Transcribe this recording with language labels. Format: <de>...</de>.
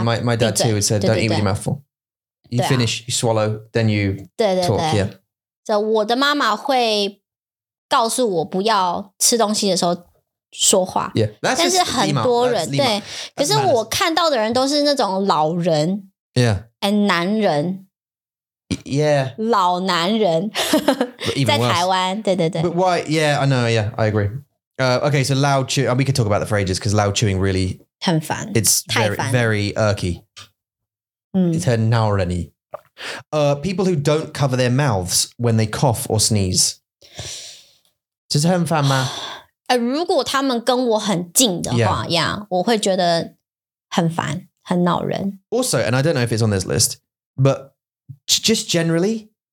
<en>yeah, my dad too would say don't eat with your mouth full You finish,、啊、 you swallow Then you</en> <zh>对对对</zh> <en>talk、yeah.</en> <zh>so, 我的妈妈会告诉我不要吃东西的时候说话</zh> <en>yeah,</en> <zh>但是很多人对可是我看到的人都是那种老人</zh> <en>yeah</en> <zh>and 男人</zh> <en>yeah</en> <zh>老男人在台湾对对对</zh> <en>but why yeah I know yeah I agree、okay so loud chew、oh, we could talk about that for ages because loud chewing really</en> <zh>很烦</zh> <en>it's very irky、嗯、 it's</en> <zh>很恼人</zh> <en>people who don't cover their mouths when they cough or sneeze</en> <zh>这是很烦吗？如果他们跟我很近的话</zh> <en>yeah.</en> <zh>Yeah, 我会觉得很烦很恼人</zh> <en>Also, and I don't know if it's on this list But just generally</en>